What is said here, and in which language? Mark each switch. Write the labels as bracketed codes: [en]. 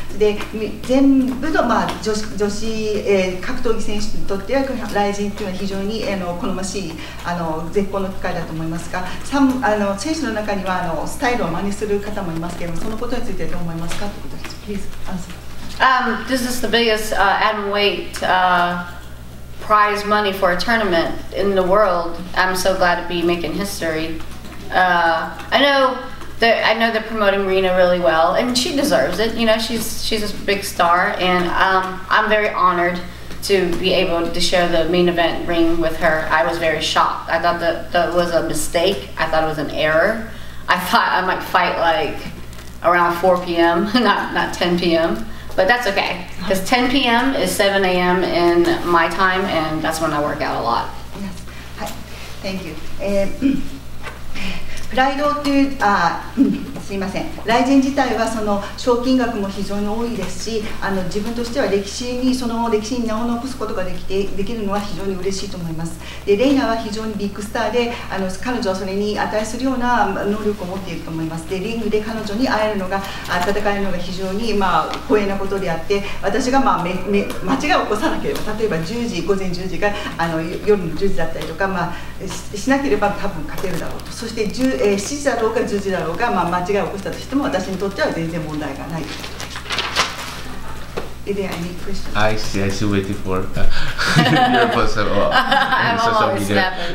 [ja] で、全部の、まあ、女子、格闘技選手にとってはライジンというのは非常に好ましい絶好の機会だと思います。選手の中にはスタイルを真似する方もいますけれども、そのことについてどう思いますかということです。 [en] Please answer. This is the biggest atom weight prize money for a tournament in the world. I'm so glad to be making history. I know they're promoting Rena really well, and she deserves it. You know, she's a big star, and I'm very honored to be able to share the main event ring with her. I was very shocked. I thought that was a mistake. I thought it was an error. I thought I might fight like around 4 p.m., not 10 p.m., but that's okay. Because 10 p.m. is 7 a.m. in my time, and that's when I work out a lot. Yes. Thank you. [ja] プライドという、すいません、ライジン自体はその賞金額も非常に多いですし、自分としては歴史に名を残すことができるのは非常に嬉しいと思います。で、レイナは非常にビッグスターで、彼女はそれに値するような能力を持っていると思います。で、リングで彼女に会えるのが、戦えるのが非常に、まあ、光栄なことであって、私が、まあ、間違いを起こさなければ、例えば10時、午前10時が夜の10時だったりとか、まあ、しなければ多分勝てるだろうと。そして7時だろうか10時だろうか、まあ、間違いを起こしたとしても私にとっては全然問題がない。 [en] I see. I still waiting for your post on social media.